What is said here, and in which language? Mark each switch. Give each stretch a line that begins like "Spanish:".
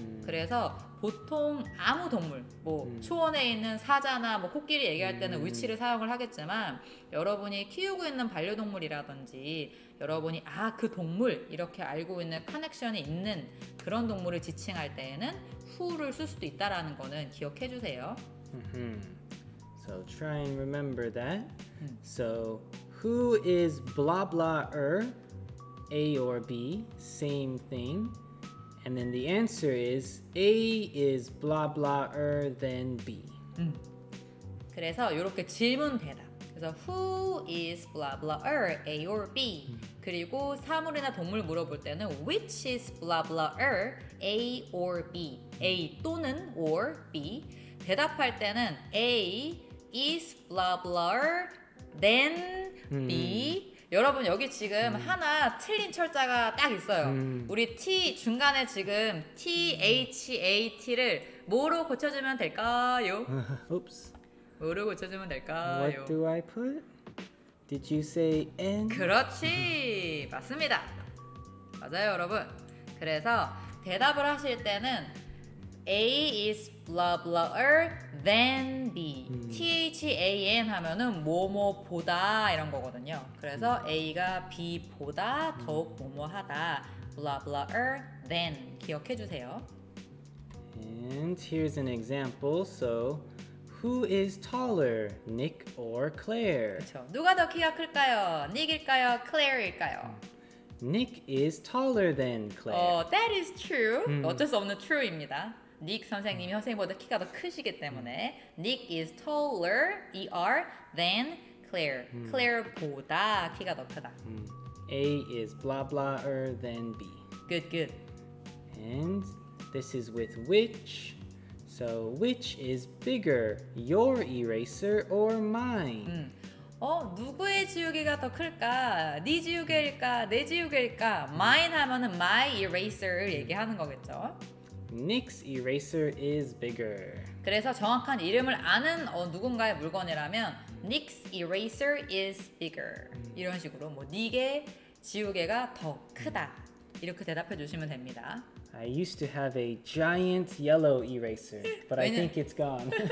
Korean: 그래서 보통 아무 동물, 뭐 초원에 있는 사자나 뭐 코끼리 얘기할 때는 which를 사용을 하겠지만 여러분이 키우고 있는 반려동물이라든지 여러분이 아, 그 동물 이렇게 알고 있는 커넥션이 있는 그런 동물을 지칭할 때에는 who를 쓸 수도 있다라는 거는 기억해 주세요.
English: So try and remember that. So who is blah blah-er? A or B, same thing. And then the answer is A is blah blah-er than B.
Korean: 그래서 이렇게 질문 대답. 그래서
English: who is blah blah-er? A or B?
Korean: 그리고 사물이나 동물 물어볼 때는
English: which is blah blah-er? A or B? A 또는 or B?
Korean: 대답할 때는
English: A is blah blah-er then B.
Korean: 여러분 여기 지금 하나 틀린 철자가 딱 있어요. 우리 T 중간에 지금 THAT를 뭐로 고쳐주면 될까요? Oops. 뭐로 고쳐주면 될까요?
English: What do I put? Did you say N?
Korean: 그렇지! 맞습니다! 맞아요 여러분. 그래서 대답을 하실 때는
English: A is blah blah-er than B.
Korean: THAN 하면은 뭐뭐보다 이런 거거든요. 그래서 A가 B보다 더욱 뭐뭐하다.
English: blah blah-er than
Korean: 기억해 주세요.
English: And here's an example. So who is taller, Nick or Claire?
Korean: 그쵸. 누가 더 키가 클까요? Nick일까요? Claire일까요?
English: Nick is taller than Claire. That is true.
Korean: 어쩔 수 없는 true입니다. 닉 선생님이 선생님보다 키가 더 크시기 때문에
English: Nick is taller, E-R, than Claire.
Korean: Claire보다 키가 더 크다.
English: A is blah blah-er than B. Good, good. And this is with which. So which is bigger, your eraser or mine?
Korean: 누구의 지우개가 더 클까? 네 지우개일까? 내 지우개일까? Mine 하면은
English: my eraser
Korean: 를 얘기하는 거겠죠.
English: Nick's eraser is bigger.
Korean: 그래서 정확한 이름을 아는 누군가의 물건이라면
English: Nick's eraser is bigger.
Korean: 이런 식으로 뭐 닉의 지우개가 더 크다. 이렇게 대답해 주시면 됩니다.
English: I used to have a giant yellow eraser, but I think it's gone.